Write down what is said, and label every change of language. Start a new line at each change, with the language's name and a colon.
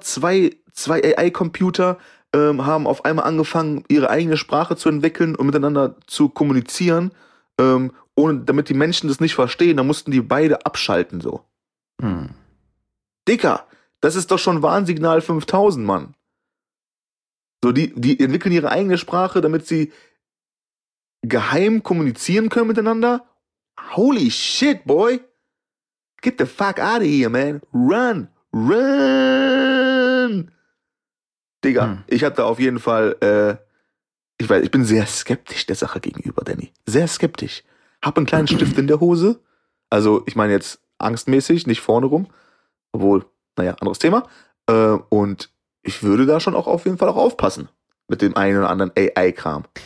German: Zwei AI-Computer haben auf einmal angefangen, ihre eigene Sprache zu entwickeln und miteinander zu kommunizieren, ohne, damit die Menschen das nicht verstehen, da mussten die beide abschalten, so. Dicker, das ist doch schon Warnsignal 5000, Mann. So, die entwickeln ihre eigene Sprache, damit sie geheim kommunizieren können miteinander.
English: Holy shit, boy. Get the fuck out of here, man. Run.
German: Digga, ich hab da auf jeden Fall, ich bin sehr skeptisch der Sache gegenüber, Danny. Sehr skeptisch. Hab einen kleinen Stift in der Hose. Also, ich meine jetzt angstmäßig, nicht vorne rum. Obwohl, naja, anderes Thema. Und ich würde da schon auch auf jeden Fall auch aufpassen mit dem einen oder anderen AI-Kram.